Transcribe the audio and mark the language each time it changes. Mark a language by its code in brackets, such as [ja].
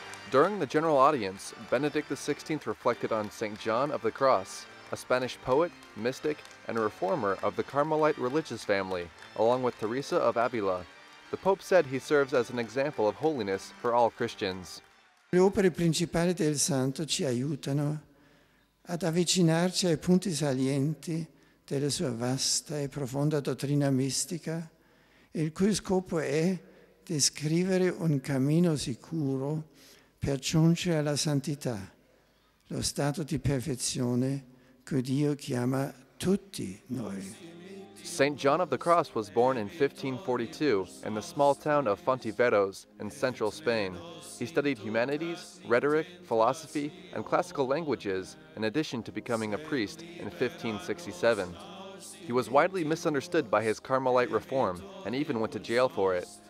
[en] During the general audience, Benedict XVI reflected on St. John of the Cross, a Spanish poet, mystic, and reformer of the Carmelite religious family, along with Teresa of Avila. The Pope said he serves as an example of holiness for all Christians. [it] Le opere principali del santo ci aiutano ad avvicinarci ai punti salienti della sua vasta e profonda dottrina mistica, il cui scopo è descrivere un cammino sicuro per giungere alla santità, lo stato di perfezione che Dio chiama tutti noi. [en] St. John of the Cross was born in 1542 in the small town of Fontiveros in central Spain. He studied humanities, rhetoric, philosophy, and classical languages in addition to becoming a priest in 1567. He was widely misunderstood by his Carmelite reform and even went to jail for it.